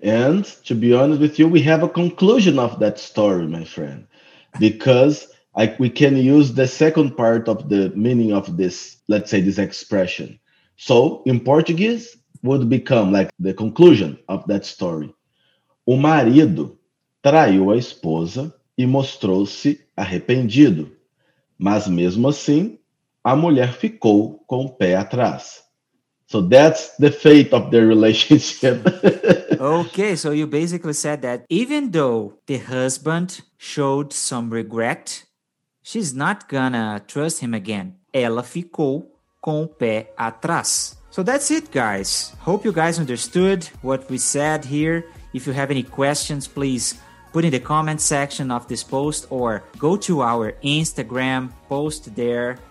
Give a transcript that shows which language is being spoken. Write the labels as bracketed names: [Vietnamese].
[English] And to be honest with you, we have a conclusion of that story, my friend, because we can use the second part of the meaning of this, let's say, this expression. So in Portuguese, would become like the conclusion of that story. [Portuguese] O marido traiu a esposa e mostrou-se arrependido. Mas mesmo assim, a mulher ficou com o pé atrás. [English] So that's the fate of their relationship. Okay, so you basically said that even though the husband showed some regret, she's not gonna trust him again. [Portuguese] Ela ficou com o pé atrás. [English] So that's it, guys. Hope you guys understood what we said here. If you have any questions, please put in the comment section of this post or go to our Instagram post there.